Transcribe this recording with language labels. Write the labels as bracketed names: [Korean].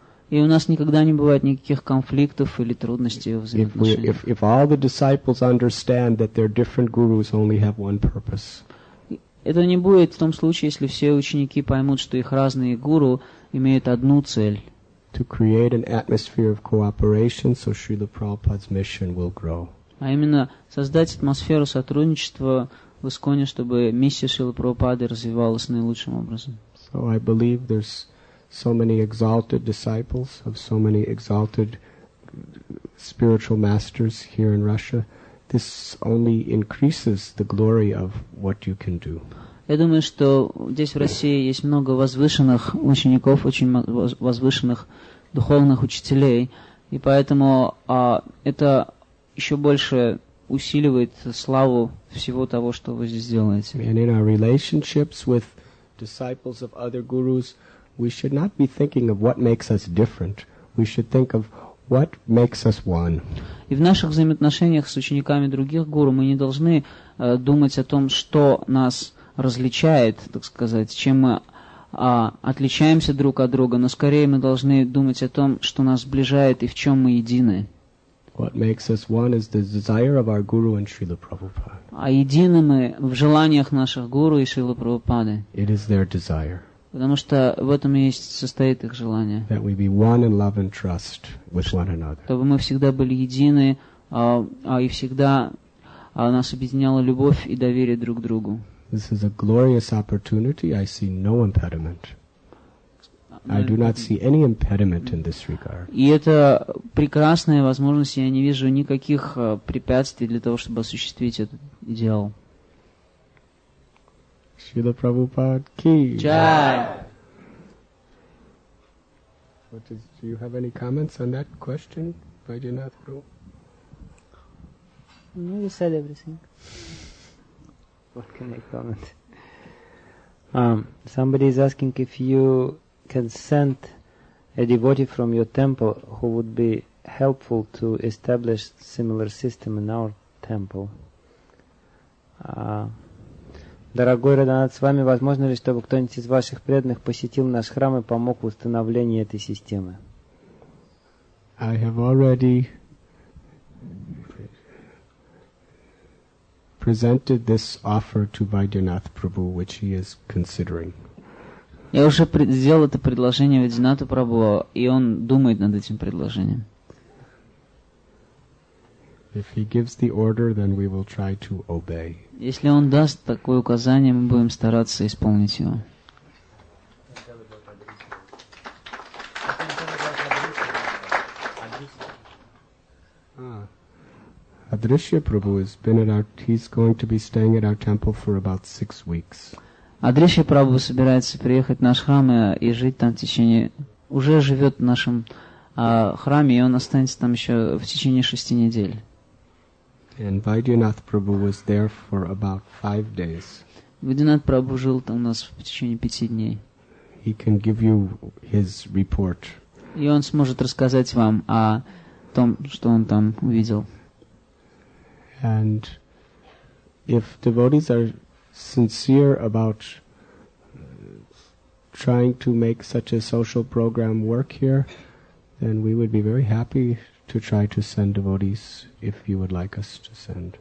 [Russian] И у нас никогда не бывает никаких конфликтов или трудностей в взаимоотношениях. [English] If all the disciples understand that their different gurus only have one purpose. [Russian] Это не будет в том случае, если все ученики поймут, что их разные гуру имеют одну цель. [English] to create an atmosphere of cooperation so Srila Prabhupada's mission will grow. [Russian] А именно создать атмосферу сотрудничества в Исконе, чтобы миссия Шрилы Прабхупады развивалась наилучшим образом. [English] So I believe there's so many exalted disciples of so many exalted spiritual masters here in Russia. This only increases the glory of what you can do. [Russian] Я думаю, что здесь в России есть много возвышенных учеников, очень возвышенных духовных учителей, и поэтому это еще больше усиливает славу всего того, что вы здесь делаете. [English] And in our relationships with disciples of other gurus, we should not be thinking of what makes us different. We should think of what makes us one. [Russian] И в наших взаимоотношениях с учениками других гуру мы не должны думать о том, что нас различает, так сказать, чем мы отличаемся друг от друга, но скорее мы должны думать о том, что нас сближает и в чем мы едины. [English] What makes us one is the desire of our guru and Srila Prabhupada. [Russian] А едины мы в желаниях наших гуру и Шрилы Прабхупады. [English] It is their desire. [Russian] Потому что в этом и состоит их желание. [English] That we be one in love and trust with one another. [Russian] Чтобы мы всегда были едины, и всегда нас объединяла любовь и доверие друг другу. [English] This is a glorious opportunity. I see no impediment. I do not see any impediment in this regard. [Russian] И это прекрасная возможность. Я не вижу никаких препятствий для того, чтобы осуществить этот идеал. [Hindi] Srila Prabhupada ki. Jai. [English] Do you have any comments on that question, Vaidyanath Guru? No, you said everything. What can I comment? Somebody is asking if you can send a devotee from your temple who would be helpful to establish similar system in our temple. [Russian] Дорогой Радханат, с вами возможно ли, чтобы кто-нибудь из ваших преданных посетил наш храм и помог в установлении этой системы? [English] I have already presented this offer to Vaidyanath Prabhu, which he is considering. [Russian] Я уже сделал это предложение Вайдьянату Прабху, и он думает над этим предложением. [English] If he gives the order, then we will try to obey. [Russian] Если он даст такое указание, мы будем стараться исполнить его. [English] Adrishya Prabhu has been at our. He's going to be staying at our temple for about 6 weeks. [Russian] Adrishya Prabhu собирается приехать в наш храм и жить там в течение. Уже живет в нашем храме, и он останется там еще в течение 6 недель. [English] And Vaidyanath Prabhu was there for about 5 days. [Russian] Vaidyanath Prabhu жил там у нас в течение 5 дней. [English] He can give you his report. [Russian] И он сможет рассказать вам о том, что он там увидел. [English] And if devotees are sincere about trying to make such a social program work here, then we would be very happy to try to send devotees if you would like us to send.